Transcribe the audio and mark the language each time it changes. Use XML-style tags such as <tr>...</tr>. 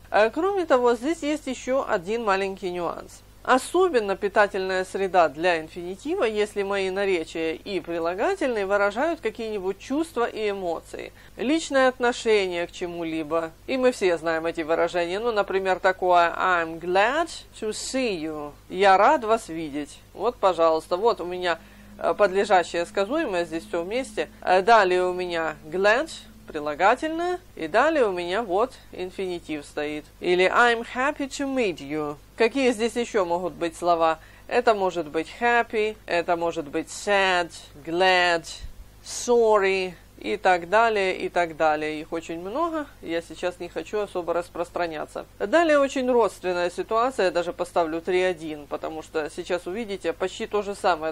<ru>А кроме того, здесь есть еще один маленький нюанс. Особенно питательная среда для инфинитива, если мои наречия и прилагательные выражают какие-нибудь чувства и эмоции. Личное отношение к чему-либо. И мы все знаем эти выражения. Ну, например, такое</ru> <en>«I'm glad to see you».</en> <ru>«Я рад вас видеть». Вот, пожалуйста, вот у меня подлежащее сказуемое, здесь все вместе. Далее у меня «glad», прилагательное. И далее у меня вот инфинитив стоит. Или</ru> <en>I'm happy to meet you.</en> <ru>Какие здесь еще могут быть слова? Это может быть happy, это может быть sad, glad, sorry и так далее, и так далее. Их очень много, я сейчас не хочу особо распространяться. Далее очень родственная ситуация, я даже поставлю 3-1, потому что сейчас увидите почти то же самое.</ru>